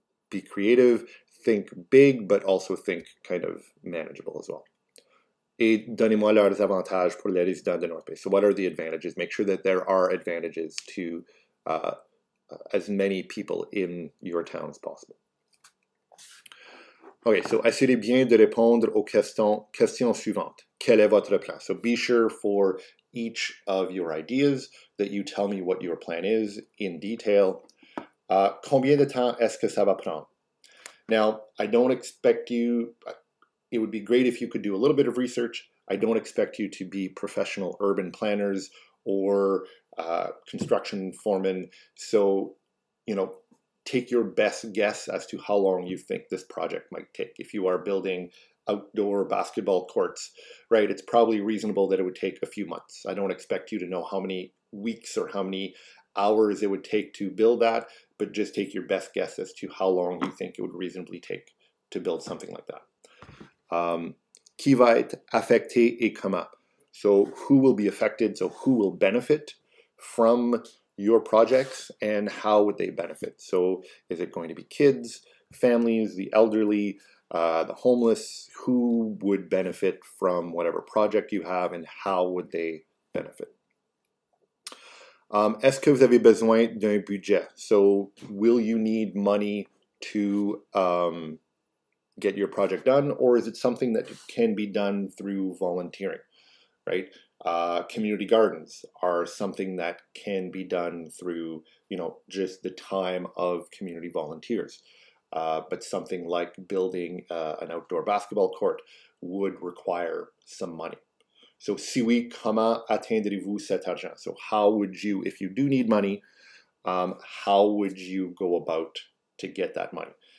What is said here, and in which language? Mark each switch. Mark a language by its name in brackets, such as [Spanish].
[English] Be creative, think big, but also think kind of manageable as well. [French] Et donnez-moi leurs avantages pour les résidents de North Bay. [English] So what are the advantages? Make sure that there are advantages to as many people in your town as possible. [French] Okay, so assurez bien de répondre aux questions suivantes. Quel est votre plan? [English] So be sure for each of your ideas that you tell me what your plan is in detail. [French] Combien de temps est-ce que ça va prendre? [English] Now, I don't expect you... It would be great if you could do a little bit of research. I don't expect you to be professional urban planners or construction foremen. So, you know, take your best guess as to how long you think this project might take. If you are building outdoor basketball courts, right, it's probably reasonable that it would take a few months. I don't expect you to know how many weeks or how many hours it would take to build that, but just take your best guess as to how long you think it would reasonably take to build something like that. [French] Qui va être affecté et comment? [English] So who will be affected? So who will benefit from your projects and how would they benefit? So is it going to be kids, families, the elderly, the homeless? Who would benefit from whatever project you have and how would they benefit? [French] Est-ce que vous avez besoin d'un budget? [English] So will you need money to... get your project done, or is it something that can be done through volunteering, right? Community gardens are something that can be done through, you know, just the time of community volunteers. But something like building an outdoor basketball court would require some money. [French] So, si oui, comment atteindrez-vous cet argent? [English] So, how would you, if you do need money, how would you go about to get that money?